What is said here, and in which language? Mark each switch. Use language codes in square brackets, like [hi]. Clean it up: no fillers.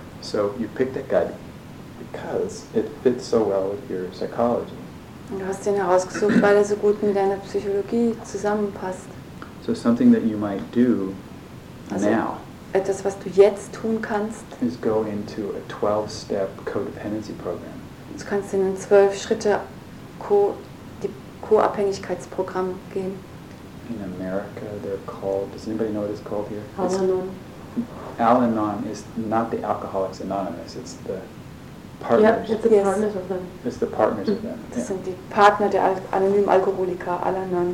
[en] So you picked that guy because it fits so well with your psychology. [de] Und du hast ihn herausgesucht, weil er so gut mit deiner Psychologie zusammenpasst. [en] So something that you might do now. [de] Etwas, was du jetzt tun kannst, [en] is go into a 12-step codependency program. [de] Du kannst in ein 12-Schritte Co-Abhängigkeitsprogramm gehen. [en] In America, they're called, does anybody know what it's called here? Al-Anon. Al-Anon is not the Alcoholics Anonymous, it's the partners. Yeah, it's the partners of them. It's the partners of them. [de] Das sind die Partner der anonymen Alkoholiker, Al-Anon.